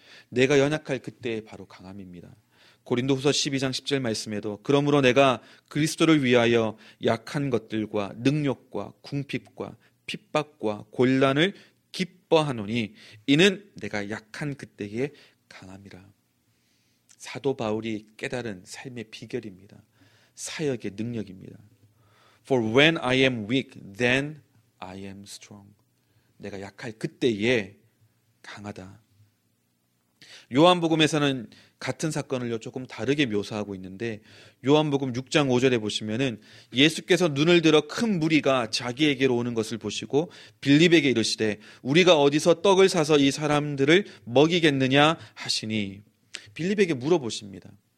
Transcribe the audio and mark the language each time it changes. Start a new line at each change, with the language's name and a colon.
Korean: 내가 연약할 그때의 바로 강함입니다. 고린도후서 12장 10절 말씀에도 그러므로 내가 그리스도를 위하여 약한 것들과 능욕과 궁핍과 핍박과 곤란을 기뻐하노니 이는 내가 약한 그때의 강함이라. 사도 바울이 깨달은 삶의 비결입니다. 사역의 능력입니다.
English: For when I am weak, then I am strong.
Korean: 내가 약할 그때에 강하다. 요한복음에서는 같은 사건을 조금 다르게 묘사하고 있는데 요한복음 6장 5절에 보시면은 예수께서 눈을 들어 큰 무리가 자기에게로 오는 것을 보시고 빌립에게 이르시되 우리가 어디서 떡을 사서 이 사람들을 먹이겠느냐 하시니 빌립에게 물어보십니다.